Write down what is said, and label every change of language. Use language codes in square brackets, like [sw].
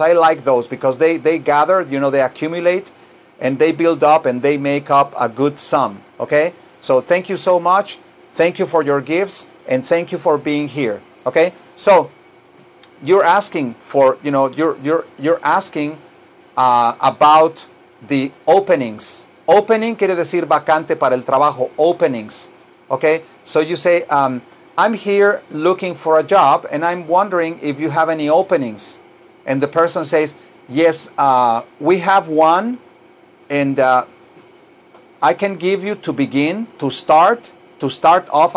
[en] I like those because they gather, you know, they accumulate and they build up and they make up a good sum, ¿ok? So thank you so much. Thank you for your gifts and thank you for being here, ¿ok? So, you're asking for, you know, you're asking about the openings. [es] Opening quiere decir vacante para el trabajo, openings. [en] Okay, so you say, I'm here looking for a job and I'm wondering if you have any openings. And the person says, yes, we have one and I can give you to begin, to start off.